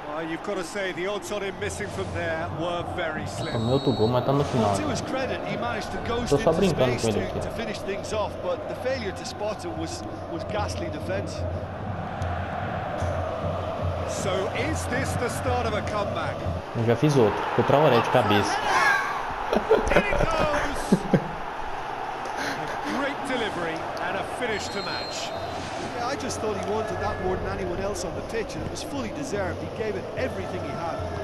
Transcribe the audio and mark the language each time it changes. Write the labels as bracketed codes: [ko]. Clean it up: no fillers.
[en] You've got to say the odds on him missing from there were very slim. [pt] Outro gol, mas tá no final. [en] To his credit, he managed to ghost to finish things off, but the failure to spot him was ghastly defense. So is this the start of a comeback? [pt] Eu já fiz outro, ficou pra Traoré de cabeça. [en] A great delivery and a finish to match. I just thought he wanted that more than anyone else on the pitch, and it was fully deserved. He gave it everything he had.